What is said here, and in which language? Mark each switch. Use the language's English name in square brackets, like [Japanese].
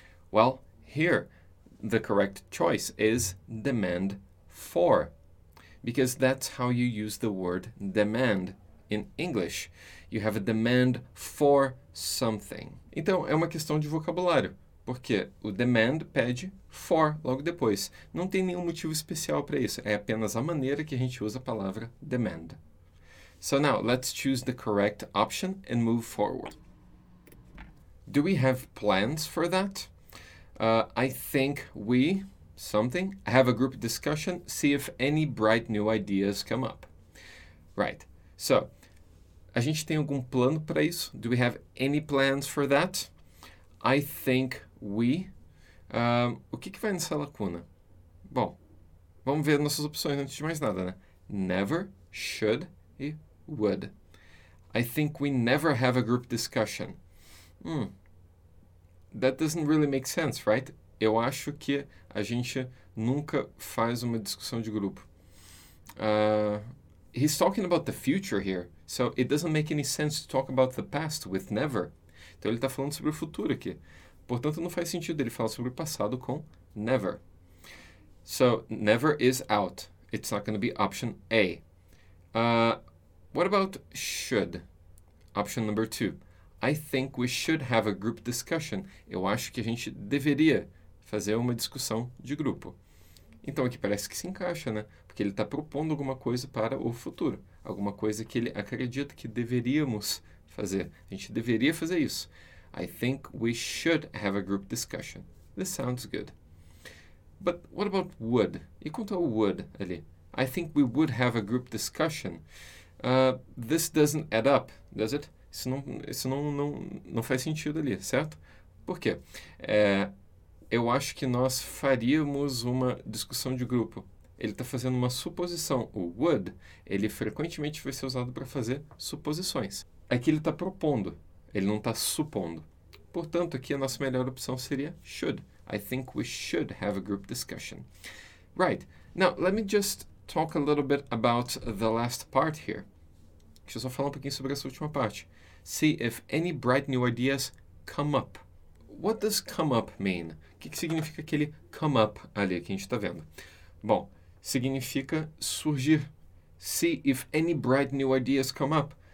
[English] Well, here the correct choice is demand for, because that's how you use the word demand. In English, you have a demand for something. [Portuguese] Então, é uma questão de vocabulário, porque o demand pede for logo depois. Não tem nenhum motivo especial para isso, é apenas a maneira que a gente usa a palavra demand. [English] So now, let's choose the correct option and move forward. Do we have plans for that? I think we, something, have a group discussion, see if any bright new ideas come up. Right. [Portuguese] So, a gente tem algum plano para isso? [English] Do we have any plans for that? I think we. [Portuguese] O que vai nessa lacuna? Bom, vamos ver nossas opções antes de mais nada, né? Never, should e would. [English] I think we never have a group discussion. That doesn't really make sense, right? [Portuguese] Eu acho que a gente nunca faz uma discussão de grupo. [English] He's talking about the future here, so it doesn't make any sense to talk about the past with never. [Portuguese] Então, ele está falando sobre o futuro aqui. Portanto, não faz sentido ele falar sobre o passado com never. [English] So, never is out. It's not going to be option A. What about should? Option number two. I think we should have a group discussion. [Portuguese] Eu acho que a gente deveria fazer uma discussão de grupo. Então, aqui parece que se encaixa, né? Porque ele está propondo alguma coisa para o futuro. Alguma coisa que ele acredita que deveríamos fazer. A gente deveria fazer isso. [English] I think we should have a group discussion. This sounds good. But what about would? [Portuguese] E quanto ao would ali? [English] I think we would have a group discussion. This doesn't add up, does it? [Portuguese] Isso não faz sentido ali, certo? Por quê? Eu acho que nós faríamos uma discussão de grupo. Ele está fazendo uma suposição. O would, ele frequentemente vai ser usado para fazer suposições. Aqui ele está propondo, ele não está supondo. Portanto, aqui a nossa melhor opção seria should. [English] I think we should have a group discussion. Right. Now, let me just talk a little bit about the last part here. [Portuguese] Deixa eu só falar um pouquinho sobre essa última parte. [English] See if any bright new ideas come up. What does come up mean? [Portuguese] O que significa aquele come up ali que a gente está vendo? Bom, significa surgir. [English] See if any bright new ideas come up.